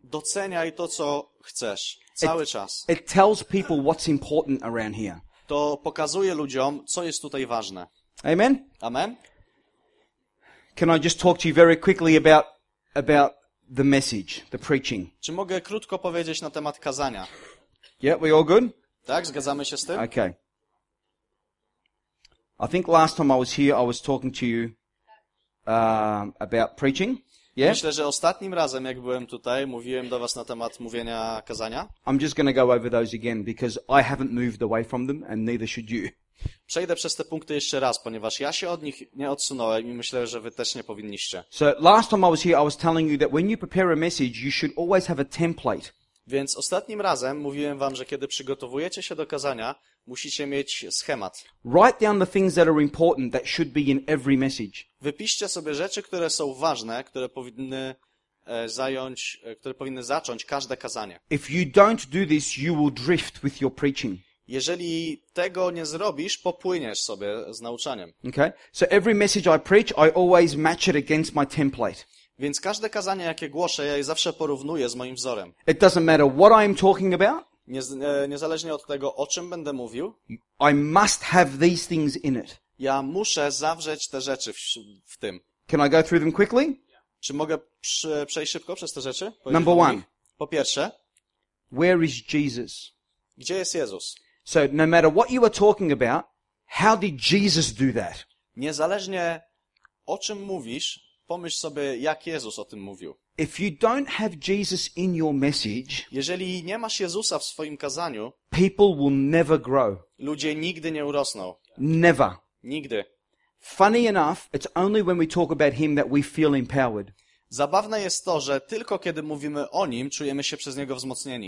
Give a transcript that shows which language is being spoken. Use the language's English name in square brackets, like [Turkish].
[Polish] Doceniaj to, co chcesz, cały czas. [English] It tells people what's important around here. [Polish] To pokazuje ludziom, co jest tutaj ważne. [English] Amen. [Polish] Amen. [English] Can I just talk to you very quickly about the message, the preaching? [Polish] Czy mogę krótko powiedzieć na temat kazania? [English] Yeah, we all good? [Polish] Tak, zgadzamy się z tym? [English] Okay. I think last time I was here, I was talking to you about preaching. Yeah? [Polish] Myślę, że ostatnim razem, jak byłem tutaj, mówiłem do was na temat mówienia kazania. [English] I'm just going to go over those again because I haven't moved away from them and neither should you. [Polish] Przejdę przez te punkty jeszcze raz, ponieważ ja się od nich nie odsunąłem i myślę, że wy też nie powinniście. [English] So last time I was here, I was telling you that when you prepare a message, you should always have a template. [Polish] Więc ostatnim razem mówiłem wam, że kiedy przygotowujecie się do kazania, musicie mieć schemat. [English] Write down the things that are important that should be in every message. [Polish] Wypiszcie sobie rzeczy, które są ważne, które powinny zająć, które powinny zacząć każde kazanie. [English] If you don't do this, you will drift with your preaching. [Polish] Jeżeli tego nie zrobisz, popłyniesz sobie z nauczaniem. [English] Okay? So every message I preach, I always match it against my template. [Polish] Więc każde kazanie, jakie głoszę, ja je zawsze porównuję z moim wzorem. [English] It doesn't matter what I am talking about. [Polish] Niezależnie od tego, o czym będę mówił. [English] I must have these things in it. [Polish] Ja muszę zawrzeć te rzeczy w tym. [English] Can I go through them quickly? [Polish] Czy mogę przejść szybko przez te rzeczy? [English] Number one. [Polish] Po pierwsze. [English] Where is Jesus? [Polish] Gdzie jest Jezus? [English] So no matter what you are talking about, how did Jesus do that? [Polish] Niezależnie o czym mówisz, pomyśl sobie, jak Jezus o tym mówił. [English] If you don't have Jesus in your message, [Polish] jeżeli nie masz Jezusa w swoim kazaniu, [English] people will never grow. [Polish] Ludzie nigdy nie urosną. [English] Never. [Polish] Nigdy. [English] Funny enough, it's only when we talk about him that we feel empowered. [Polish] Zabawne jest to, że tylko kiedy mówimy o nim, czujemy się przez niego wzmocnieni.